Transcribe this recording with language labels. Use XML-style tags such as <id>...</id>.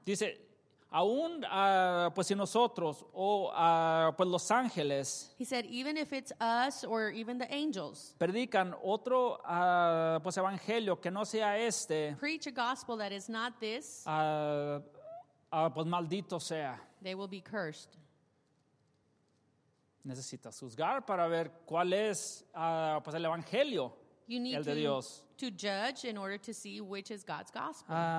<es>Dice, aún pues si nosotros o pues los ángeles.</es> <en>He said, even if it's us or even the angels.</en> <es>Predican otro pues evangelio que no sea este.</es> <en>Preach a gospel that is not this.</en> <es>Pues maldito sea.</es> <en>They will be cursed.</en> <es>Necesitas juzgar para ver cuál es pues el evangelio,</es> <en>you need</en> <es>el de Dios.</es> <en>To judge in order to see which is God's gospel.</en>